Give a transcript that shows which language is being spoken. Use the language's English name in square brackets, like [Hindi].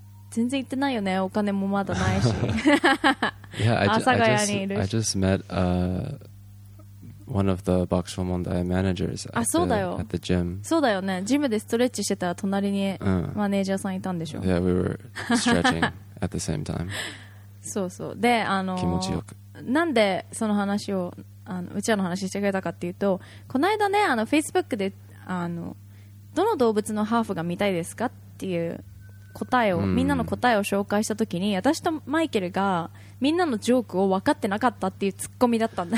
[Japanese] 全然行ってないよね、お金もまだないし。 [English] Yeah, [Japanese] 阿佐ヶ谷にいるし。 [English] I just met one of the Box for Monday managers at the gym. [Japanese] そうだよね、ジムでストレッチしてたら隣にマネージャーさんいたんでしょ。 [English] Yeah, we were stretching at the same time. [Japanese] そうそう、で、あの、気持ちよく、なんでその話を、あの、うちらの話してくれたかっていうと、この間ね、あの、 Facebook で、あの、どの動物のハーフが見たいですかっていう答えを、みんなの答えを紹介したときに、私とマイケルがみんなのジョークを分かってなかったっていうツッコミだったんだ。